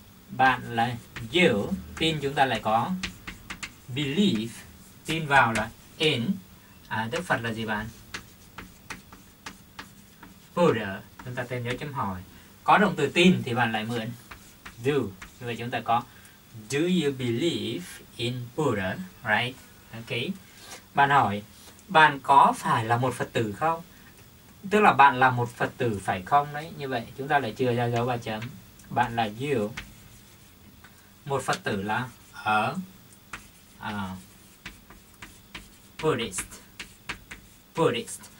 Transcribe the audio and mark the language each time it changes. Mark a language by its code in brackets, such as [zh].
[vi] Bạn là you, tin chúng ta lại có believe, tin vào là in. Đức Phật là gì bạn? Buddha, chúng ta thêm dấu chấm hỏi. Có động từ tin thì bạn lại mượn do. Như vậy chúng ta có [en] Do you believe in Buddha? Right? Okay. [vi] Bạn hỏi, bạn có phải là một Phật tử không? Tức là bạn là một Phật tử phải không đấy? Như vậy chúng ta lại chưa ra dấu ba chấm. Bạn là you. Một Phật tử là ở Buddhist. Buddhist.